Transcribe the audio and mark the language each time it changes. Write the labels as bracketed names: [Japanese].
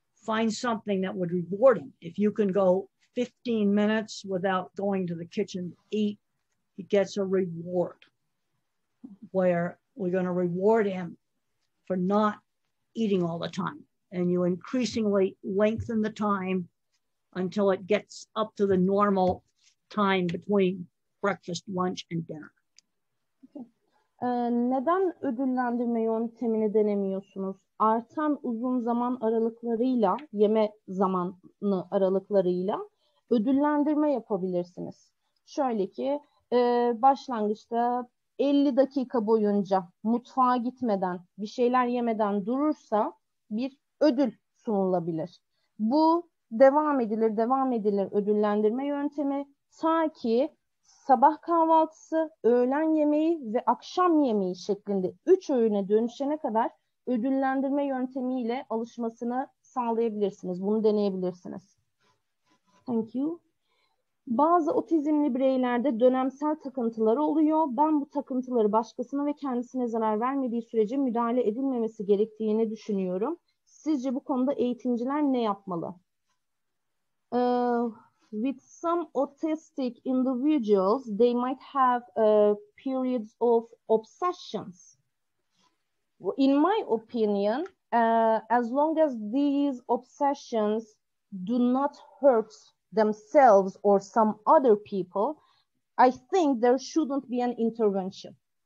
[English] find something that would reward him. If you can go 15 minutes without going to the kitchen to eat, he gets a reward, where we're going to reward him for not eating all the time. And you increasingly lengthen the time until it gets up to the normal time between breakfast, lunch, and dinner. [Turkish] Neden ödüllendirme yöntemini denemiyorsunuz? Artan uzun zaman aralıklarıyla, yeme zamanı aralıklarıyla ödüllendirme yapabilirsiniz. Şöyle ki, başlangıçta 50 dakika boyunca mutfağa gitmeden, bir şeyler yemeden durursa bir ödül sunulabilir. Bu devam edilir ödüllendirme yöntemi. Ta ki sabah kahvaltısı, öğlen yemeği ve akşam yemeği şeklinde 3 öğüne dönüşene kadar ödüllendirme yöntemiyle alışmasını sağlayabilirsiniz. Bunu deneyebilirsiniz. [English] Thank you. [Turkish] Bazı otizmli bireylerde dönemsel takıntıları oluyor. Ben bu takıntıları başkasına ve kendisine zarar vermediği sürece müdahale edilmemesi gerektiğini düşünüyorum. Sizce bu konuda eğitimciler ne yapmalı? [English] With some autistic individuals, they might have periods of obsessions. In my opinion, as long as these obsessions do not hurt themselves or some other people, I think there shouldn't be an intervention.